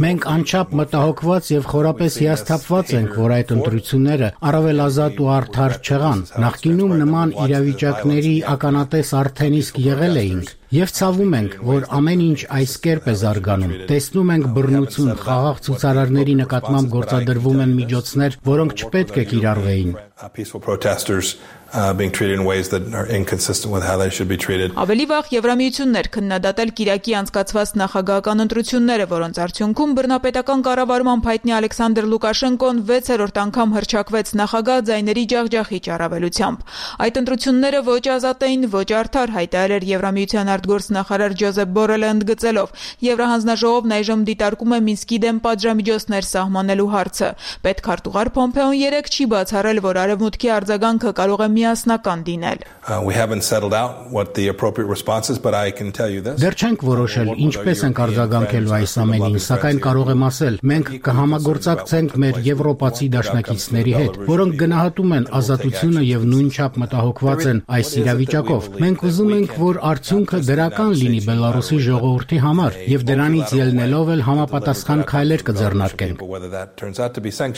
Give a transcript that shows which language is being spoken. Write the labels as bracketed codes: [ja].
[hy] Մենք անչափ մտահոգված եւ խորապես հիասթափված ենք, որ այդ ընտրությունները առավել ազատ ու արդար չեղան։ Նախկինում նման իրավիճակների ականատես արդեն իսկ եղել էին։ Եվ ցավում ենք, որ ամեն ինչ այս կերպ է զարգանում։ Տեսնում ենք բռնություն խաղաղ ցուցարարների նկատմամբ գործադրվում են միջոցներ, որոնք չպետք է կիրառվեին։ [en] Being treated in ways that are inconsistent with how they should be treated. [hy] Ավելի վաղ Եվրամիություններ քննադատել Կիրակի անցկացված նախագահական ընտրությունները, որոնց արդյունքում բռնապետական կառավարման հայտնի Ալեքսանդր Լուկաշենկոն 6-րդ անգամ հրճակվեց նախագահ ձայների ջախջախի ճարավելությամբ։ Այդ ընտրությունները ոչ ազատ էին, ոչ արդար, հայտարարել էր Եվրամիության արտգործնախարար Ջոզեփ Բորելը ընդգծելով։ Եվրահանձնաժողովն նա այժմ դիտարկում է Մինսկի դեմ պատժամիջոցներ սահմանելու հարցը։ Պետքարտուղար Պոմպեոն 3 չի բացառել, որ արևմուտքի արձագանքը կարող միասնական դինել։ [en] We haven't settled out what the appropriate response is, but I can tell you this. [hy] Դեռ չենք որոշել ինչպես ենք արձագանքելու այս ամենին, սակայն կարող եմ ասել, մենք կհամագործակցենք մեր եվրոպացի դաշնակիցների հետ, որոնք գնահատում են ազատությունը եւ նույնչափ մտահոգված են այս իրավիճակով։ Մենք ուզում ենք, որ արդյունքը դրական լինի Բելարուսի ժողովրդի համար եւ դրանից ելնելով էլ համապատասխան քայլեր կձեռնարկենք։